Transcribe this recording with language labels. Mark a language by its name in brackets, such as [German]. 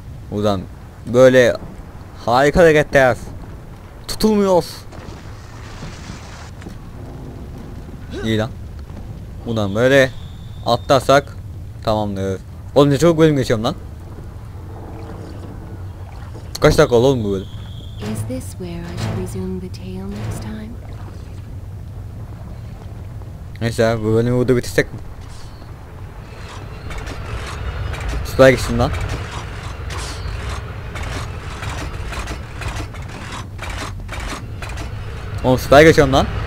[Turkish] Buradan böyle. Harika hareketler. Tutulmuyor. İyi lan. Buradan böyle atlarsak tamamdır. Oğlum ne çabuk bölüm geçiyorum lan. Kaç dakika oldu oğlum bu bölüm? [English] Is this where I should resume the tale next time? [Turkish] Neyse bu bölümü burada bitirsek mi? Buraya geçtim lan. Oğlum süper geçiyorum lan.